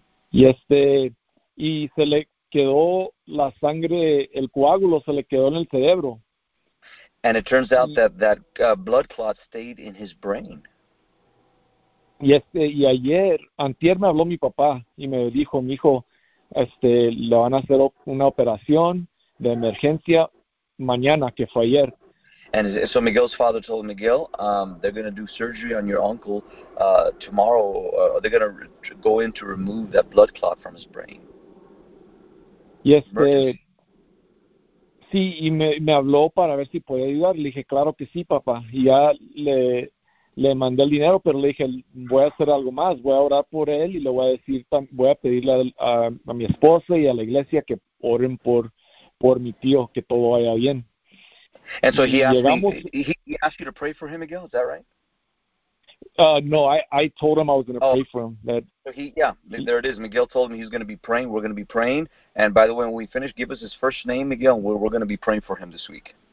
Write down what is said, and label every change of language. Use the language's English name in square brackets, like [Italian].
[Spanish] Y y se le quedó la sangre, el coágulo se le quedó en el cerebro. [English] And it turns out that blood clot stayed in his brain. [Spanish] Y ayer, antier me habló mi papá y me dijo, mi hijo, le van a hacer una operación de emergencia mañana, que fue ayer. [English] And so Miguel's father told Miguel, they're going to do surgery on your uncle tomorrow. They're going to go in to remove that blood clot from his brain. [Spanish] Sí, y me habló para ver si podía ayudar. Le dije, claro que sí, papá. Y ya le mandé el dinero, pero le dije, voy a hacer algo más. Voy a orar por él y le voy a decir, voy a pedirle a mi esposa y a la iglesia que oren por mi tío, que todo vaya bien. [English] And so he asked you to pray for him, Miguel, is that right? No, I told him I was going to pray for him. There it is. Miguel told me he's going to be praying. We're going to be praying. And by the way, when we finish, give us his first name, Miguel, and we're going to be praying for him this week.